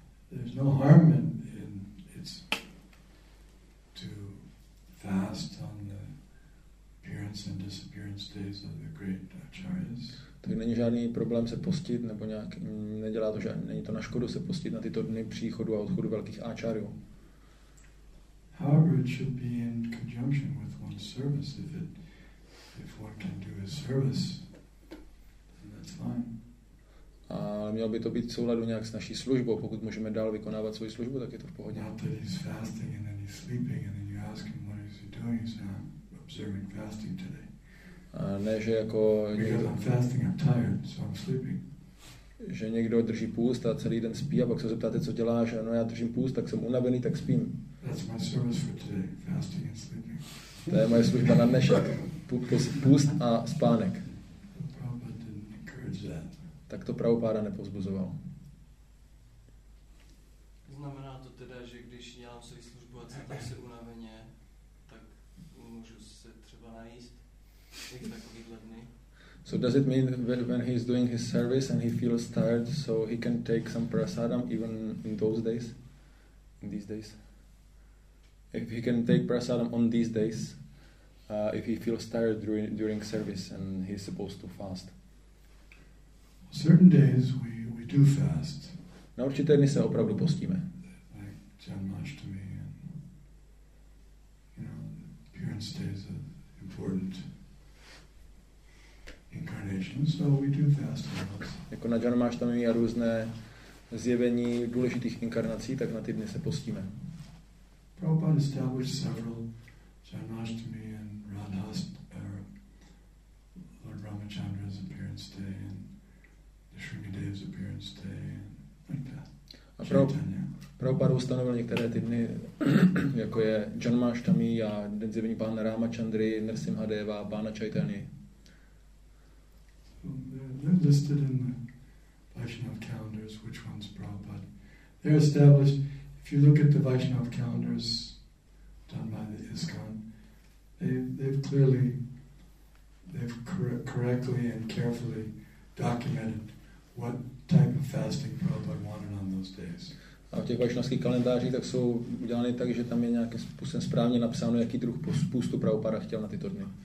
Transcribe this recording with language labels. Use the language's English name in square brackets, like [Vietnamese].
[English] There's no harm in it's to fast on the appearance and disappearance days of the great acharyas. [Czech] Tak není žádný problém se postit nebo nějak. Nedělá to žádný. Není to na škodu se postit na tyto dny příchodu a odchodu velkých acharyů. [English] However, it should be in conjunction with one's service. If one can do his service, then that's fine. [Czech] Ale mělo by to být v souladu nějak s naší službou. Pokud můžeme dál vykonávat svou službu, tak je to v pohodě. [English] Not that he's fasting and then he's sleeping and then you ask him what is he doing. He's not observing fasting today. [Czech] Ne, že jako někdo... [English] Because I'm fasting, I'm tired, so I'm sleeping. [Czech] Že někdo drží půst a celý den spí a pak se zeptáte, co děláš. No, já držím půst, tak jsem unavený, tak spím. [English] That's my service for today, fasting and sleeping. [Czech] To je moje služba na dnešek. Půst a spánek. [English] Prabhupada didn't encourage that. [Czech] Tak to Prabhupada nepovzbuzoval. Znamená to teda, že když dělám svou službu a cítím se unaveně, tak můžu se třeba najíst jak takovýhle dny? [English] So does it mean that when he's doing his service and he feels tired, so he can take some prasadam even in those days, in these days? If he can take prasadam on these days, if he feels tired during service and he's supposed to fast? Certain days we do fast. [Czech] Na určité dny se opravdu postíme. [English] Like Janmashtami and, you know, appearance days are important. So we do fast. [Czech] Jako na Janmashtami a různé zjevení důležitých inkarnací, tak na ty dny se postíme. [English] Prabhupada established several Janmashtami and Radha's or Lord Ramachandra's appearance day and the Shringa Dev's appearance day and like that. [Czech] Prabhupada ustanovil některé ty dny, jako je Janmashtami a den zjevení pána Ramachandry, Narsimha Deva, pána Chaitany. [English] They're listed in the Vaishnava calendars, which ones Prabhupada. They're established, if you look at the Vaishnava calendars done by the ISKCON, they've correctly and carefully documented what type of fasting Prabhupada wanted on those days. [Czech] A v těch vajšnavských kalendářích tak jsou udělány tak, že tam je nějakým způsobem správně napsáno, jaký druh spoustu Prabhupada chtěl na tyto dny.